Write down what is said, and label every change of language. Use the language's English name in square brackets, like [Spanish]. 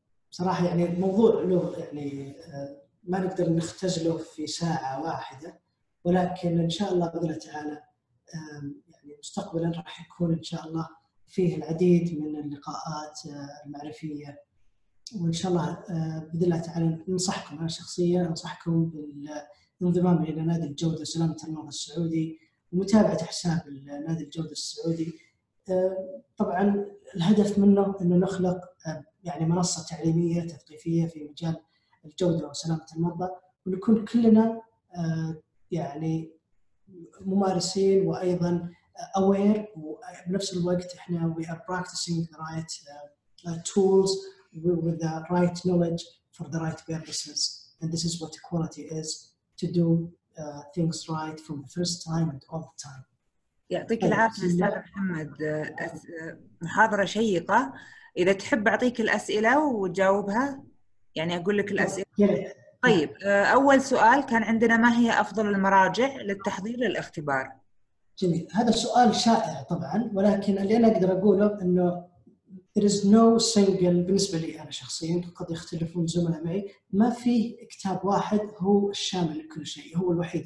[Arabic] صراحة يعني الموضوع له يعني ما نقدر نختزله في ساعة واحدة، ولكن إن شاء الله بإذن الله تعالى يعني مستقبلا راح يكون إن شاء الله فيه العديد من اللقاءات المعرفية، وإن شاء الله بإذن الله تعالى ننصحكم، أنا شخصيا أنصحكم بالانضمام إلى نادي الجودة وسلامة المرضى السعودي، ومتابعة حساب نادي الجودة السعودي. طبعا الهدف منه إنه نخلق يعني منصة تعليمية تثقيفية في مجال الجودة وسلامة المرضى، ونكون كلنا يعني ممارسين وأيضا aware، وبنفس الوقت إحنا [English] we are practicing the right tools with the right knowledge for the right purposes, and this is what equality is, to do things right from the first time and all the time. [Arabic] يعطيك العافية أستاذ محمد، محاضرة شيقة. إذا تحب أعطيك الأسئلة وتجاوبها، يعني أقول لك الأسئلة. طيب، أول سؤال كان عندنا، ما هي أفضل المراجع للتحضير للاختبار؟ جميل، هذا سؤال شائع طبعاً، ولكن اللي أنا أقدر أقوله أنه [English] there is no single، [Arabic] بالنسبة لي أنا شخصياً قد يختلفون زملاء معي، ما فيه كتاب واحد هو الشامل لكل شيء، هو الوحيد.